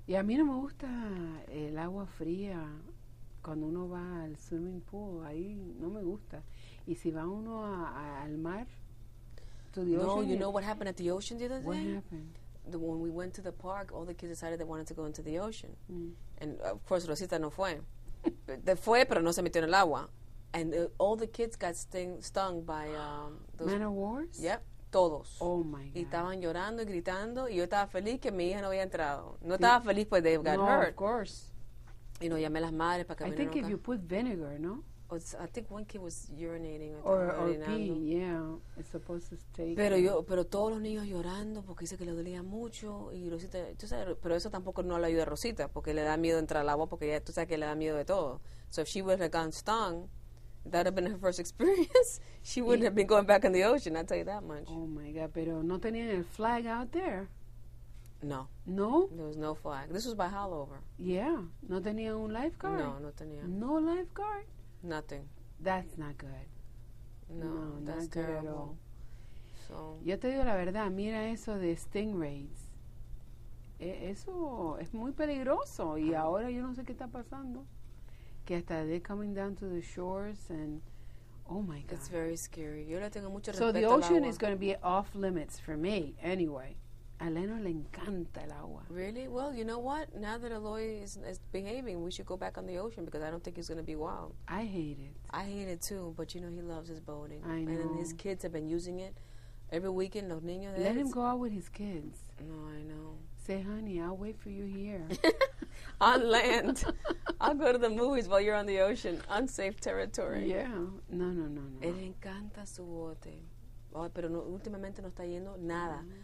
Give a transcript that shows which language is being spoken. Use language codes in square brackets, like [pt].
[es] Y a mí no me gusta el agua fría cuando uno va al swimming pool. Ahí no me gusta. Y si va uno al mar, to the no, [en] ocean. No, you know what happened at the ocean the other day? What happened? When we went to the park, all the kids decided they wanted to go into the ocean. [es] And, of course, Rosita no fue. They fue, pero no se metió en el agua. [en] And all the kids got stung by... Man of wars? [es] Yep, todos. [en] Oh, my God. [es] Y estaban llorando y gritando. Y yo estaba feliz que mi hija no había entrado. No estaba feliz pues they got no, [en] hurt. No, of course. [es] Y no llamé a las madres para que [en] vinieran. I think if you put vinegar, no? I think one kid was urinating. Or pee, yeah. It's supposed to stay. [es] Pero yo, pero todos los niños llorando porque dice que le dolía mucho. Y Rosita, tú sabes, pero eso tampoco no le ayuda a Rosita porque le da miedo entrar al agua porque ella, tú sabes que le da miedo de todo. [en] So if she would have gone stung, that would have been her first experience. She wouldn't have been going back in the ocean, I'll tell you that much. Oh, my God. Pero no tenían el flag out there. No. No? There was no flag. This was by Hallover. [es] Yeah. No tenían un lifeguard. No tenían. [en] No lifeguard. Nothing. That's not good. No, that's not terrible. Good at all. So. [es] Yo te digo la verdad, mira eso de stingrays. Eso es muy peligroso y ahora yo no sé qué está pasando. [en] Que hasta they're coming down to the shores and, oh my God. [es] It's very scary. Yo le tengo mucho respeto [en] al agua. So the ocean is going to be off limits for me anyway. [es] A Leno le encanta el agua. [en] Really? Well, you know what? Now that Aloy is behaving, we should go back on the ocean because I don't think he's going to be wild. I hate it. I hate it too, but you know he loves his boating. I know. And his kids have been using it every weekend. [es] Los niños. [en] Let him go out with his kids. No, I know. Say, honey, I'll wait for you here. On land. I'll go to the movies while you're on the ocean. Unsafe territory. Yeah. No. [es] Él encanta su bote. Oh, pero no, últimamente no está yendo nada.